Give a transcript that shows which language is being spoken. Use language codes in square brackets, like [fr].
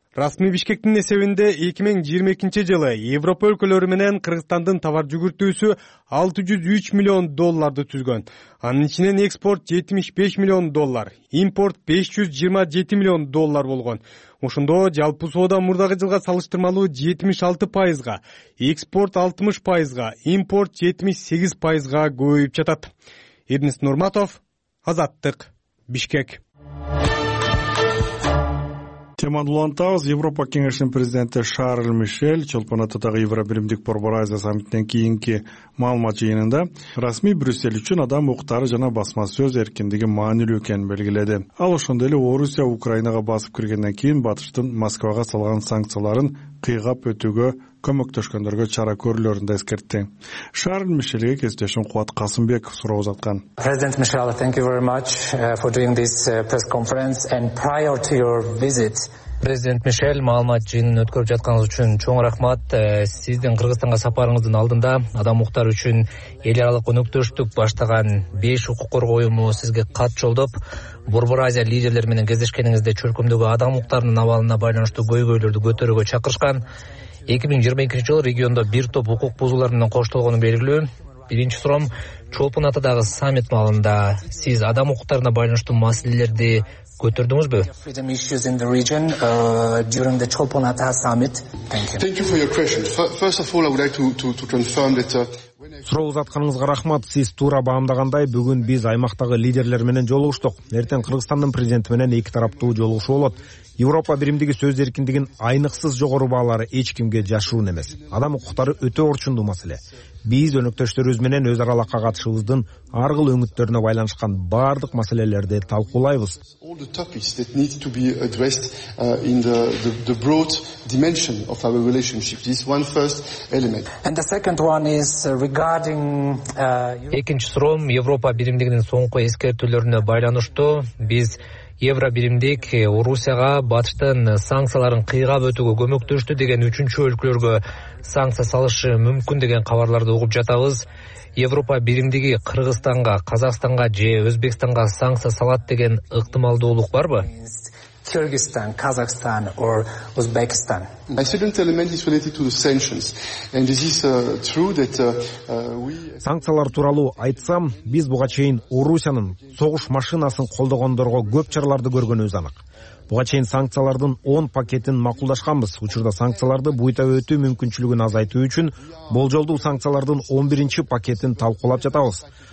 [ky] Расмий Бишкектин эсебинде 2022 жылы Европа өлкөлөрү менен Кыргызстандын товар жүгүртүүсү 603 миллион долларды түзгөн. Анын ичинен экспорт 75 миллион доллар, импорт 527 миллион доллар болгон. Ошондо жалпы соода мурдагы жылга салыштырмалуу 76%, экспорт 60%, импорт 78%га көбөйүп жатат. Эрнис Нурматов, Азаттык, Бишкек. Теманы улантабыз. Европа кеңешинин президенти Шарль Мишель Чолпон атадагы Евробиримдик борбор Азия саммитинен кийинки маалымат жыйынында расмий Брюссель үчүн адам укуктары жана басма сөз эркиндиги маанилүү экенин белгиледи. Ал ошондой эле Орусия Украинага басып киргенден кийин батыштын Москвага салган санкцияларын кыйгап өтүүгө көмөктөшкөндөргө чара көрүлөрүн да эскертти. Шарль Мишельге кездешүүн Кубат Касымбеков суроо узаткан. [en] President Michel, thank you very much for doing this press conference and prior to your visit. [ky] Президент Мишель, маалымат жыйынын өткөрүп жатканыңыз үчүн чоң рахмат. Сиздин Кыргызстанга сапарыңыздын алдында адам укуктары үчүн эл аралык өнөктөштүк баштаган 5 укук коргоо уюму сизге кат жолдоп, Борбор Азия лидерлери менен кездешкениңизде чөлкөмдөгү адам укуктарынын абалына байланыштуу көйгөйлөрдү көтөрүүгө чакырышкан. 2022 жылы региондо бир топ укук бузуулар менен коштолгону белгилүү. Биринчи суроом, Чолпон атадагы саммит маалында сиз адам укуктарына байланыштуу маселелерди көтөрдүңүзбү? [en] Freedom issues in the region during the Chulpan Ata summit. Thank you for your question. First of all, I would like to confirm that [ky] суроо узатканыңызга рахмат. Сиз туура баамдагандай, бүгүн биз аймактагы лидерлер менен жолугуштук. Эртең Кыргызстандын президенти менен эки тараптуу жолугушуу болот. Европа биримдиги сөз эркиндигин айныксыз жогору баалары эч кимге жашыруун эмес. Адам укуктары өтө орчундуу маселе. Биз өнөктөштөрүбүз менен өз аралыкка катышыбыздын ар кыл өңүттөрүнө байланышкан баардык маселелерди талкуулайбыз. [en] All the topics that need to be addressed in the broad dimension of our relationship. This one first element. And the second one is regarding [ky] экинчи суроом Европа биримдигинин соңку эскертүүлөрүнө байланыштуу. Биз Евробиримдик Орусияга батыштын санкцияларын кыйгап өтүүгө көмөктөштү деген үчүнчү өлкөлөргө санкция салышы мүмкүн деген кабарларды угуп жатабыз. Европа биримдиги Кыргызстанга, Казакстанга же Өзбекстанга санкция салат деген ыктымалдуулук барбы? [en] Kyrgyzstan, Kazakhstan or Uzbekistan. My second element is related to the sanctions. And this is true that we [ky] санкциялар тууралуу айтсам, биз буга чейин Орусиянын согуш машинасын колдогондорго көп чараларды көргөнүбүз анык. Буга чейин санкциялардын 10 пакетин макулдашканбыз. Учурда санкцияларды буйта өтүү мүмкүнчүлүгүн азайтуу үчүн болжолдуу санкциялардын 11-чи пакетин талкуулап жатабыз.